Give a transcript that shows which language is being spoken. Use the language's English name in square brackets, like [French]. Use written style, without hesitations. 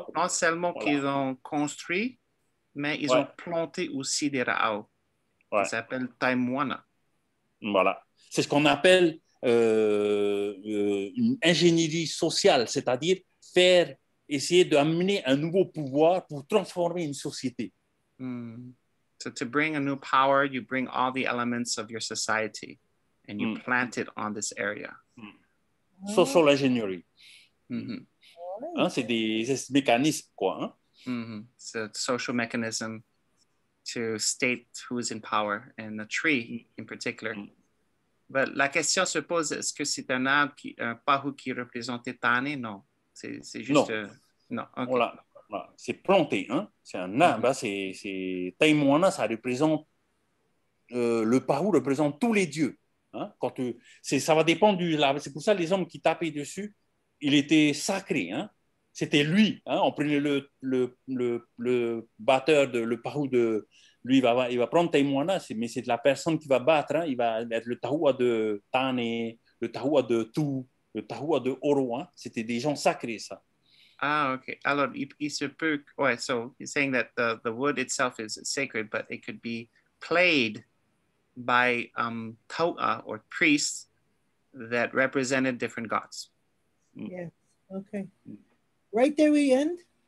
[French] Non seulement qu'ils ont construit, mais ils ont planté aussi des raʻau. Ouais. Ça s'appelle Taimoana. Voilà. C'est ce qu'on appelle une ingénierie sociale, c'est-à-dire essayer d'amener un nouveau pouvoir pour transformer une société. [English] So to bring a new power, you bring all the elements of your society and you plant it on this area. Social engineering. [French] Hein, c'est des mécanismes, quoi. Hein? [English] It's a social mechanism to state who is in power and the tree in particular. [French] But la question se pose, est-ce que c'est un arbre, un pahu qui représente Tane? Non. C'est juste... Non. Non. Okay. Voilà. C'est planté, hein? C'est un arbre, c'est Taimoana, ça représente, le Pahu représente tous les dieux. Hein? Quand ça va dépendre du arbre, c'est pour ça que les hommes qui tapaient dessus, il était sacré. Hein? C'était lui, hein? On prenait le batteur, le Pahu, lui il va prendre Taimoana, mais c'est la personne qui va battre, hein? Il va être le Tahua de Tane, le Tahua de Tu, le Tahua de Oro, hein? C'était des gens sacrés, ça. Ah, okay. Alors, il se peut. [English] Ouais, so you're saying that the wood itself is sacred, but it could be played by tau'a or priests that represented different gods. Yes. Okay. Right there we end.